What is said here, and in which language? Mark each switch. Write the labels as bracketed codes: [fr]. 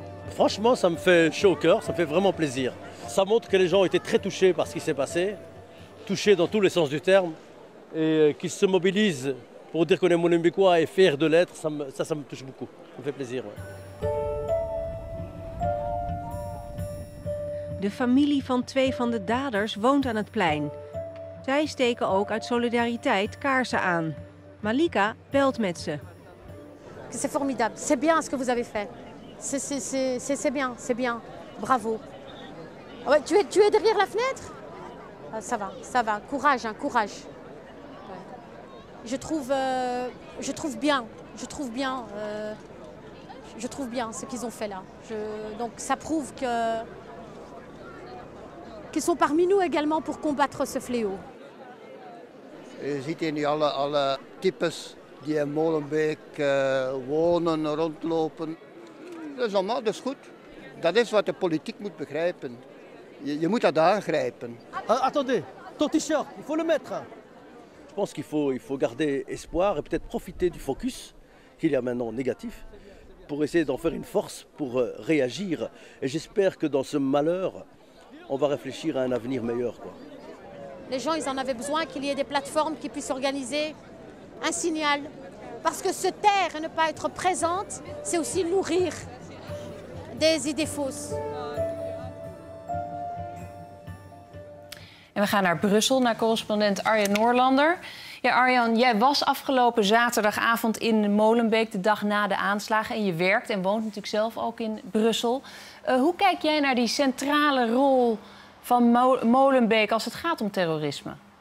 [fr] Franchement, ça me fait chaud au cœur, ça me fait vraiment plaisir. Ça montre que les gens ont été très touchés par ce qui s'est passé, touchés dans tous les sens du terme, et qu'ils se mobilisent pour dire qu'on est Molenbeekois et fiers de l'être, ça me touche beaucoup, ça me fait plaisir. Ouais. [nl] De familie van 2 van de daders woont aan het plein. Zij steken ook uit solidariteit kaarsen aan. Malika belt met ze. [fr] C'est formidable. C'est bien ce que vous avez fait. C'est bien. Bravo. Ouais, tu es derrière la fenêtre? Ça va. Courage. Je trouve bien ce qu'ils ont fait là. Donc ça prouve qu'ils sont parmi nous également pour combattre ce fléau. [nl] Je ziet hier nu alle types die in Molenbeek wonen, rondlopen. Dat is allemaal, dat is goed. Dat is wat de politiek moet begrijpen. Je moet dat aangrijpen. [fr] Attendez, ton t-shirt, il faut le mettre. Je pense qu'il faut garder espoir et peut-être profiter du focus qu'il y a maintenant négatif pour essayer d'en faire une force pour réagir. Et j'espère que dans ce malheur, on va réfléchir à un avenir meilleur, quoi. Les gens, ils en avaient besoin qu'il y ait des plateformes qui puissent organiser un signal. Parce que se taire et ne pas être présente, c'est aussi nourrir des idées fausses. [nl] En we gaan naar Brussel, naar correspondent Arjan Noorlander. Ja, Arjan, jij was afgelopen zaterdagavond in Molenbeek, de dag na de aanslagen. En je werkt en woont natuurlijk zelf ook in Brussel. Hoe kijk jij naar die centrale rol van Molenbeek als het gaat om terrorisme?